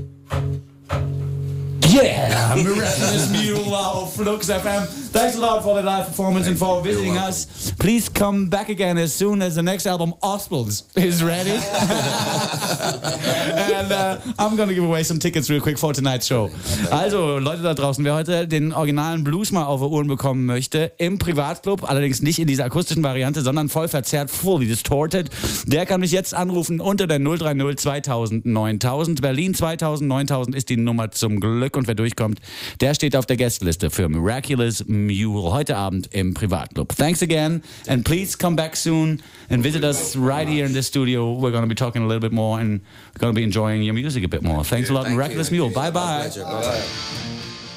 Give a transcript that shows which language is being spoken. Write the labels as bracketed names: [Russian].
[English] Yeah, I'm wrapping this mule off, Lux FM. Thanks a lot for the live performance and for visiting us. Please come back again as soon as the next album, Ospals, is ready. And I'm going to give away some tickets real quick for tonight's show. [German] Also, Leute da draußen, wer heute den originalen Blues mal auf die Ohren bekommen möchte, im Privatclub, allerdings nicht in dieser akustischen Variante, sondern voll verzerrt, [English] fully distorted, [German] der kann mich jetzt anrufen unter der 030 2000 9000. Berlin 2000 9000 ist die Nummer zum Glück. Und wer durchkommt, der steht auf der Gästeliste für Miraculous Mule heute Abend im Privatclub. [English] Thanks again, and please come back soon and visit us right here in the studio. We're going to be talking a little bit more and going to be enjoying your music a bit more. Thanks a lot, Miraculous Mule. Bye bye.